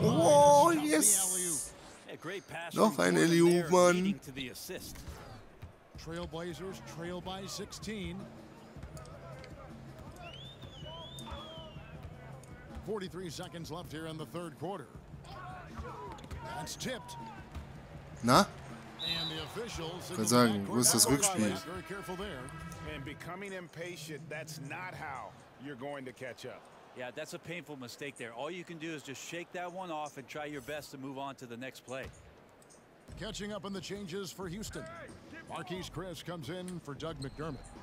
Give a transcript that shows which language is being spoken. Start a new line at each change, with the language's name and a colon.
English: Oh, yes.
German: Noch ein Alley-oop, Mann.
English: Trailblazers trail by 16. 43 seconds left here in the third quarter. That's tipped. Na? And the officials,
German: ich kann sagen, wo ist das Rückspiel?
English: And becoming impatient, that's not how you're going to catch up. Yeah, that's a painful mistake there. All you can do is just shake that one off and try your best to move on to the next play. Catching up on the changes for Houston. Marquise Chris comes in for Doug McDermott.